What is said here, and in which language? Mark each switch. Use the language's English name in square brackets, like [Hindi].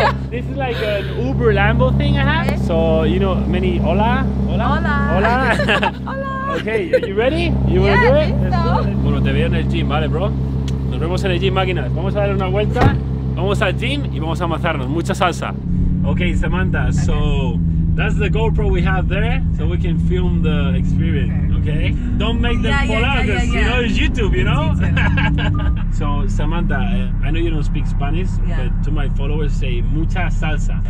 [English] This is like an Uber Lambo thing I have. Okay. So, you know, many [Spanish] hola, hola, hola, hola. Hola. [English] Okay, are you ready? You wanna do it? [Spanish] Bueno, te veo en el gym, vale, bro. Nos vemos en el gym, máquinas. Vamos a dar una vuelta, vamos al gym y vamos a amasarnos. Mucha salsa. Okay, Samantha, okay. [English] So that's the GoPro we have there, so we can film the experience, okay? Don't make them fall out, because you know, it's YouTube, you know? So, Samantha, I know you don't speak Spanish, but to my followers say, [Spanish] mucha salsa.